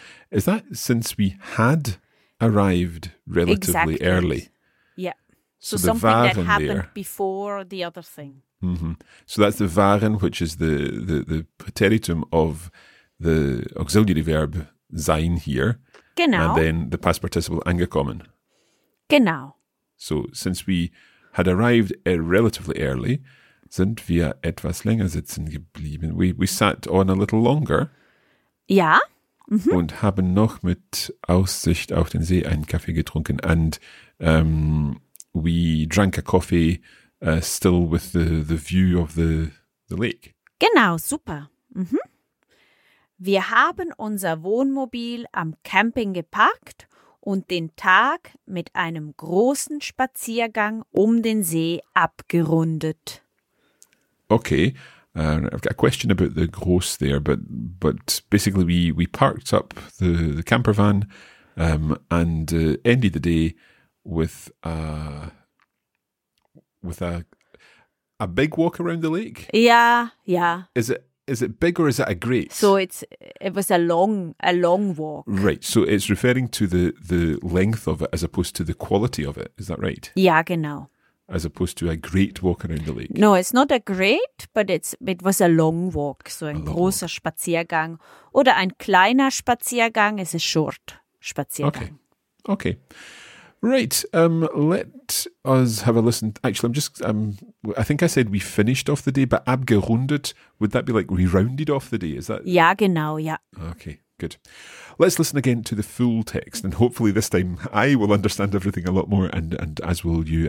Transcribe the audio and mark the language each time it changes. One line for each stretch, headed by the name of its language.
English: is that since we had arrived relatively early? Yeah. So something that happened there, before the other thing. So that's the waren, which is the preteritum of the auxiliary verb sein here.
German: Genau.
English: And then the past participle angekommen.
German: Genau.
English: So since we had arrived relatively early,
German: sind wir etwas länger sitzen geblieben.
English: We sat on a little longer.
German: Ja. Und haben noch mit Aussicht auf den See einen Kaffee getrunken.
English: And we drank a coffee still with the view of the lake.
German: Genau, super. Wir haben unser Wohnmobil am Camping geparkt und den Tag mit einem großen Spaziergang um den See abgerundet.
English: Okay. I've got a question about the gross there, but basically we parked up the camper van and ended the day with a big walk around the lake. Yeah, yeah. Is it big or is it a great? So it was a long walk. Right. So it's referring to the length of it as opposed to the quality of it. Is that right? Yeah,
German: genau.
English: as opposed to a great walk around the lake. No, it's not a great, but it was a long walk.
German: So ein großer Spaziergang oder ein kleiner Spaziergang
English: is a short
German: Spaziergang.
English: Okay. Okay. Right. Let us have a listen. Actually, I think I said we finished off the day, but abgerundet, would that be like we rounded off the day? Is that?
German: Ja, genau, ja.
English: Okay. Good. Let's listen again to the full text, and hopefully this time I will understand everything a lot more, and as will you.